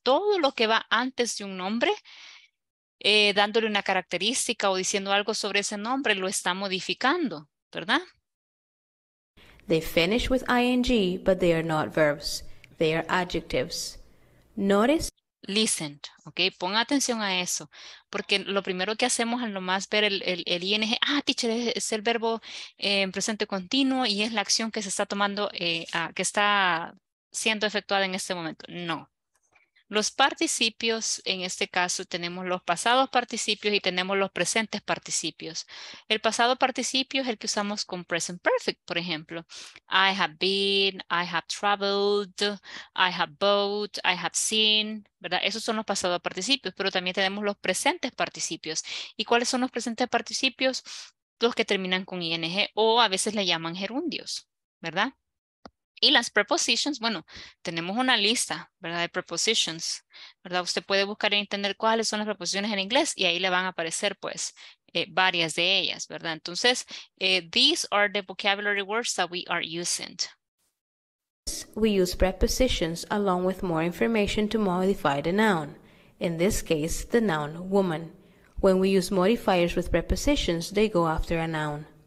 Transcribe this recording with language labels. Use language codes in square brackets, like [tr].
[es] Todo lo que va antes de un nombre, dándole una característica o diciendo algo sobre ese nombre, lo está modificando, ¿verdad? [en] They finish with ing, but they are not verbs. They are adjectives. Notice. Listened, ¿ok? [es] Ponga atención a eso, porque lo primero que hacemos al nomás ver el ing, ah, teacher, es el verbo en presente continuo y es la acción que se está tomando, que está siendo efectuada en este momento. No. Los participios, en este caso, tenemos los pasados participios y tenemos los presentes participios. El pasado participio es el que usamos con present perfect, por ejemplo. [en] I have been, I have traveled, I have bought, I have seen, ¿verdad? [es] Esos son los pasados participios, pero también tenemos los presentes participios. ¿Y cuáles son los presentes participios? Los que terminan con ing o a veces le llaman gerundios, ¿verdad? Y las prepositions, bueno, tenemos una lista, ¿verdad? De prepositions, ¿verdad? Usted puede buscar en internet cuáles son las preposiciones en inglés y ahí le van a aparecer, pues, varias de ellas, ¿verdad? Entonces, [en] these are the vocabulary words that we are using. We use prepositions along with more information to modify the noun. In this case, the noun woman. When we use modifiers with prepositions, they go after a noun.